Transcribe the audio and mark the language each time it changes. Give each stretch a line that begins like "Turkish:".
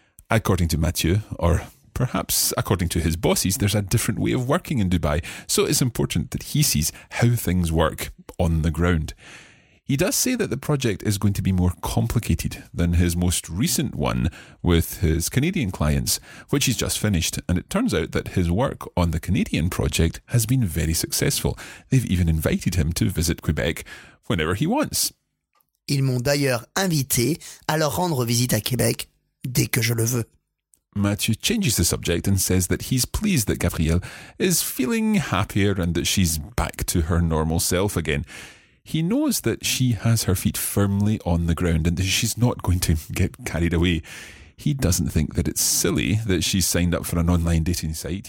English: According to Mathieu, or perhaps according to his bosses, there's a different way of working in Dubai, so it's important that he sees how things work on the ground. He does say that the project is going to be more complicated than his most recent one with his Canadian clients, which he's just finished. And it turns out that his work on the Canadian project has been very successful. They've even invited him to visit Quebec whenever he wants.
French: Ils m'ont d'ailleurs invité à leur rendre visite à Québec dès que je le veux.
English: Mathieu changes the subject and says that he's pleased that Gabrielle is feeling happier and that she's back to her normal self again. He knows that she has her feet firmly on the ground and that she's not going to get carried away. He doesn't think that it's silly that she's signed up for an online dating site.